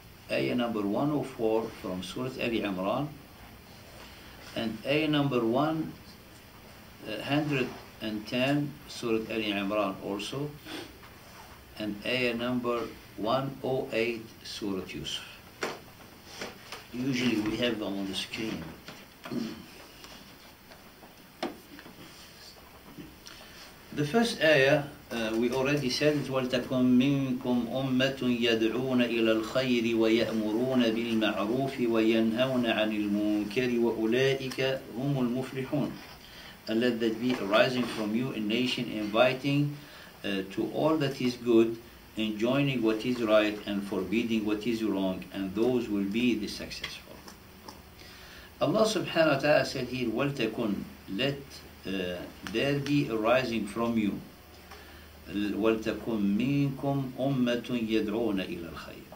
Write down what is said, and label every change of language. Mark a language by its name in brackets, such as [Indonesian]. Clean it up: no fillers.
[English] Ayah number 104 from Surah Ali Imran, and ayah number 110, Surah Ali Imran also, and ayah number 108, Surah Yusuf. Usually we have them on the screen. The first ayah, we already said it, [Arabic] وَلْتَكُمْ مِنْكُمْ أُمَّةٌ يَدْعُونَ إِلَى الْخَيْرِ وَيَأْمُرُونَ بِالْمَعْرُوفِ وَيَنْهَوْنَ عَنِ الْمُنْكَرِ وَأُولَٰئِكَ هُمُ الْمُفْلِحُونَ. [English] And let that be arising from you a nation inviting to all that is good, enjoining what is right and forbidding what is wrong, and those will be the successful. Allah subhanahu wa ta'ala said here, [Arabic] وَلْتَكُنْ, [English] let there be arising from you, [Arabic] وَلْتَكُمْ مِنْكُمْ أُمَّةٌ يَدْعُونَ إِلَى الْخَيْرِ.